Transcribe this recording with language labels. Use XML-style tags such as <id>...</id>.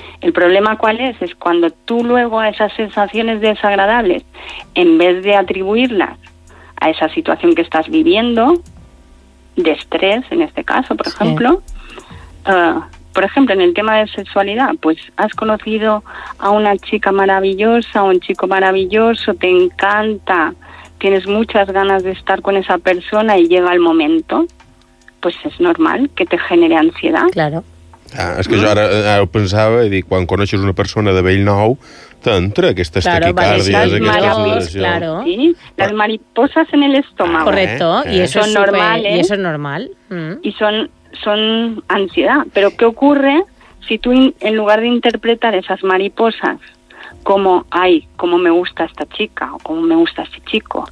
<es>El problema cuál es cuando tú luego a esas sensaciones desagradables, en vez de atribuirlas a esa situación que estás viviendo, de estrés en este caso, por ejemplo, por ejemplo, en el tema de sexualidad, pues has conocido a una chica maravillosa, un chico maravilloso, te encanta, tienes muchas ganas de estar con esa persona y llega el momento, pues es normal que te genere ansiedad. Claro.</es> <ca>Ah, és que jo ara ho pensava i dic, quan coneixes una persona de vell nou t'entra aquestes taquicàrdies, aquestes sensacions.</ca> <es>Claro. Sí, les mariposas en el estómago. Correcto, y eso es normal. Y son ansiedad. Pero ¿qué ocurre si tú, en lugar de interpretar esas mariposas cómo hay, cómo me gusta esta chica o cómo me gusta este chico.</es>